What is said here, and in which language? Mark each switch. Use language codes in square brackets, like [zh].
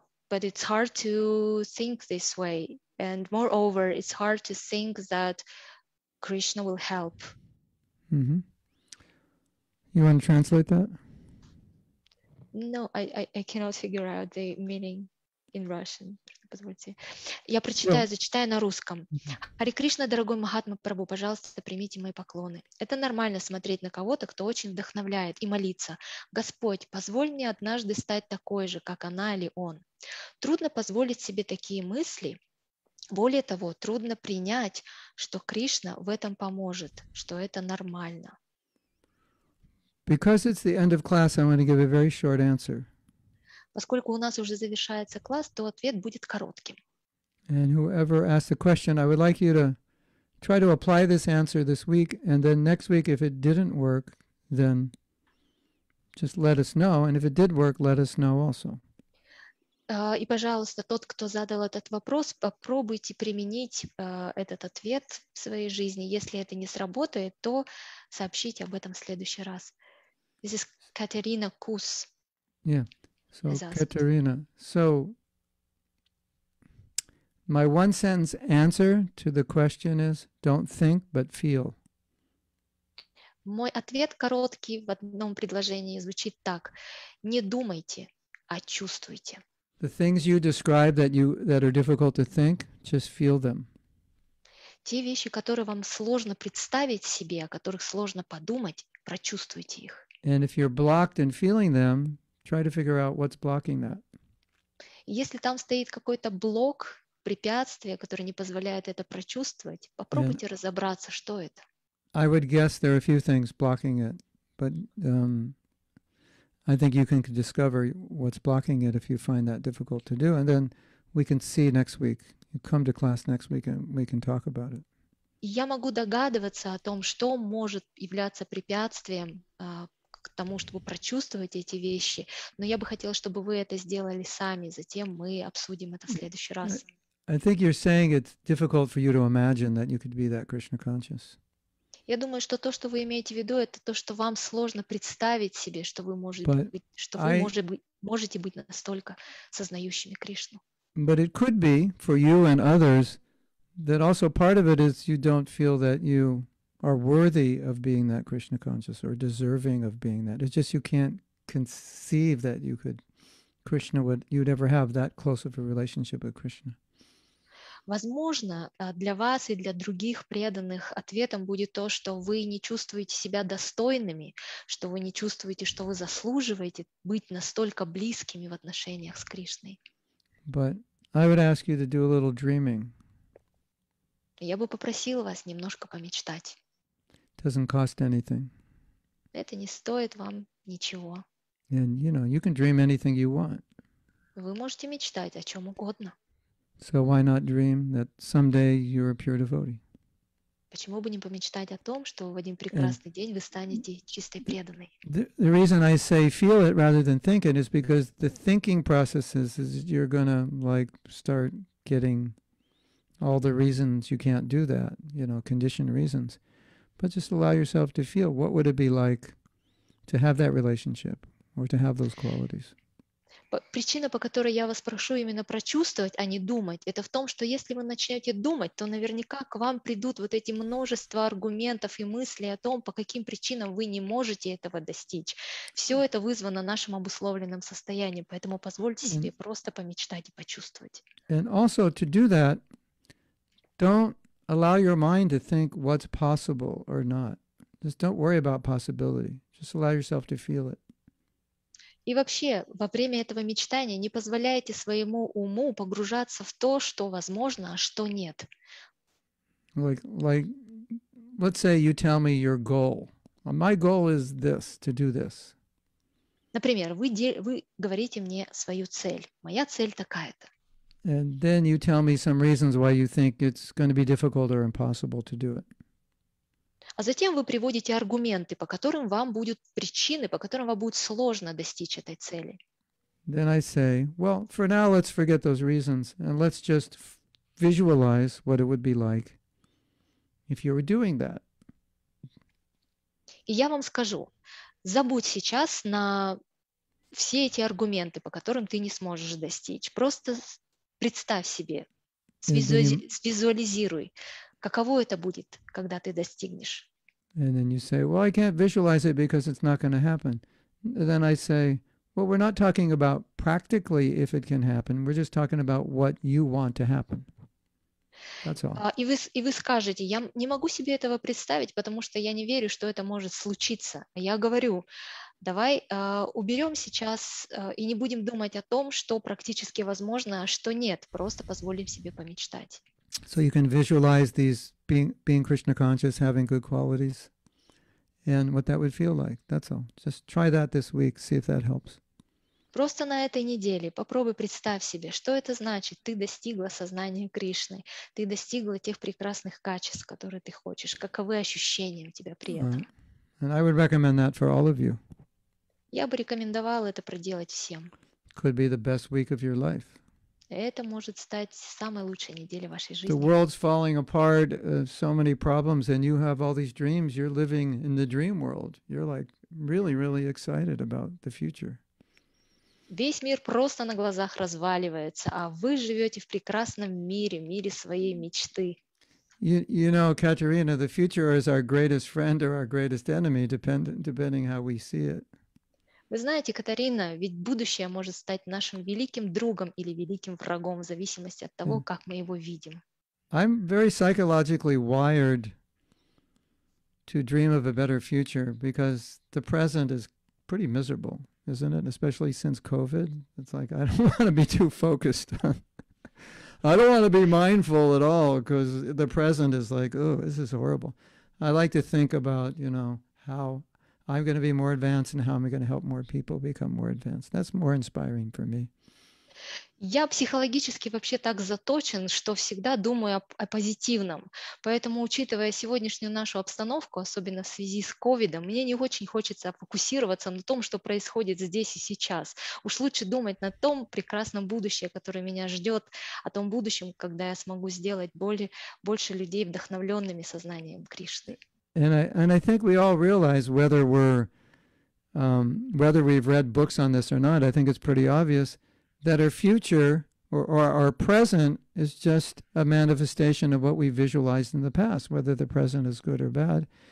[en] But it's hard to think this way. And moreover, it's hard to think that Krishna will help. Mm-hmm. You want to translate that? No, I cannot figure out the meaning in Russian. [ru] Я прочитаю, зачитаю на русском. Хари Кришна, дорогой Махатма Прабху, пожалуйста, примите мои поклоны. Это нормально смотреть на кого-то, кто очень вдохновляет, и молиться. Господь, позволь мне однажды стать такой же, как она или он. Трудно позволить себе такие мысли. Более того, трудно принять, что Кришна в этом поможет, что это нормально. [en] Because it's the end of class, I'm going to give a very short answer. [ru] Поскольку у нас уже завершается класс, то ответ будет коротким. [en] And whoever asked the question, I would like you to try to apply this answer this week, and then next week, if it didn't work, then just let us know, and if it did work, let us know also. [ru] И, пожалуйста, тот, кто задал этот вопрос, попробуйте применить этот ответ в своей жизни. Если это не сработает, то сообщите об этом в следующий раз. [en] This is Katerina Kuss. Yeah. So, Katerina, so my one sentence answer to the question is don't think, but feel. [ru] Мой ответ короткий в одном предложении звучит так: не думайте, а чувствуйте. [en] The things you describe that are difficult to think, just feel them. [ru] Те вещи, которые вам сложно представить себе, о которых сложно подумать, прочувствуйте их. [en] And if you're blocked in feeling them, try to figure out what's blocking that. [ru] Если там стоит какой-то блок, препятствие, которое не позволяет это прочувствовать, попробуйте разобраться, что это. [en] I would guess there are a few things blocking it, but I think you can discover what's blocking it if you find that difficult to do, and then we can see next week. You come to class next week and we can talk about it. [ru] Я могу догадываться о том, что может являться препятствием к тому, чтобы прочувствовать эти вещи. Но я бы хотела, чтобы вы это сделали сами. Затем мы обсудим это в следующий раз. [en] I think you're saying it's difficult for you to imagine that you could be that Krishna conscious. [ru] Я думаю, что то, что вы имеете в виду, это то, что вам сложно представить себе, что вы можете быть, что вы можете быть настолько сознающими Кришну. [en] But it could be for you and others that also part of it is you don't feel that you are worthy of being that Krishna conscious or deserving of being that. It's just you can't conceive that you could, Krishna would, you'd ever have that close of a relationship with Krishna. [ru] Возможно, для вас и для других преданных ответом будет то, что вы не чувствуете себя достойными, что вы не чувствуете, что вы заслуживаете быть настолько близкими в отношениях с Кришной. [en] But I would ask you to do a little dreaming. [ru] Я бы попросила вас немножко помечтать. [en] Doesn't cost anything. [ru] Это не стоит вам ничего. [en] And you know, you can dream anything you want. [ru] Вы можете мечтать о чем угодно. [en] So why not dream that someday you're a pure devotee? [ru] Почему бы не помечтать о том, что в один прекрасный день вы станете чистой преданной? [en] The reason I say feel it rather than think it is because the thinking process is you're gonna like start getting all the reasons you can't do that, you know, conditioned reasons. But just allow yourself to feel what would it be like to have that relationship or to have those qualities. [ru] Причина, по которой я вас прошу именно прочувствовать, а не думать, это в том, что если вы начнете думать, то наверняка к вам придут вот эти множество аргументов и мыслей о том, по каким причинам вы не можете этого достичь. Все это вызвано нашим обусловленным состоянием, поэтому позвольте себе просто помечтать и почувствовать. [en] And also to do that, don't allow your mind to think what's possible or not. Just don't worry about possibility. Just allow yourself to feel it. [ru] И вообще, во время этого мечтания не позволяйте своему уму погружаться в то, что возможно, а что нет. [en] Like, let's say you tell me your goal. My goal is this, to do this. [ru] Например, вы говорите мне свою цель. Моя цель такая-то. [en] And then you tell me some reasons why you think it's going to be difficult or impossible to do it. [ru] А затем вы приводите аргументы, по которым вам будут причины, по которым вам будет сложно достичь этой цели. [en] Then I say, well, for now let's forget those reasons and let's just visualize what it would be like if you were doing that. [ru] И я вам скажу, забудь сейчас на все эти аргументы, по которым ты не сможешь достичь. Просто представь себе, свизуализируй, каково это будет, когда ты достигнешь. [en] And then you say, well, I can't visualize it because it's not going to happen. And then I say, well, we're not talking about practically if it can happen. We're just talking about what you want to happen. That's all. [ru] И вы скажете, я не могу себе этого представить, потому что я не верю, что это может случиться. Я говорю, давай уберем сейчас и не будем думать о том, что практически возможно, а что нет. Просто позволим себе помечтать. [en] So you can visualize these being Krishna conscious, having good qualities, and what that would feel like. That's all. Just try that this week, see if that helps. [ru] Просто на этой неделе попробуй представь себе, что это значит. Ты достигла сознания Кришны. Ты достигла тех прекрасных качеств, которые ты хочешь. Каковы ощущения у тебя при этом? [en] And I would recommend that for all of you. [ru] Я бы рекомендовала это проделать всем. [en] Could be the best week of your life. [ru] Это может стать самой лучшей неделей вашей жизни. [en] The world's falling apart, so many problems, and you have all these dreams. You're living in the dream world. You're like really, really excited about the future. [ru] Весь мир просто на глазах разваливается, а вы живете в прекрасном мире, мире своей мечты. [en] You know, Katerina, the future is our greatest friend or our greatest enemy, depending how we see it. [ru] Вы знаете, Катерина, ведь будущее может стать нашим великим другом или великим врагом, в зависимости от того, как мы его видим. [en] I'm very psychologically wired to dream of a better future because the present is pretty miserable, isn't it? Especially since COVID. It's like, I don't want to be too focused. I don't want to be mindful at all because the present is like, oh, this is horrible. I like to think about, you know, how I'm going to be more advanced, and how am I going to help more people become more advanced? That's more inspiring for me. [ru] Я психологически вообще так заточен, что всегда думаю о позитивном. Поэтому, учитывая сегодняшнюю нашу обстановку, особенно в связи с ковидом, мне не очень хочется фокусироваться на том, что происходит здесь и сейчас. Уж лучше думать на том прекрасном будущем, которое меня ждет, о том будущем, когда я смогу сделать больше людей вдохновленными сознанием Кришны. [en] And I think we all realize whether we've read books on this or not, I think it's pretty obvious that our future or our present is just a manifestation of what we visualized in the past, whether the present is good or bad.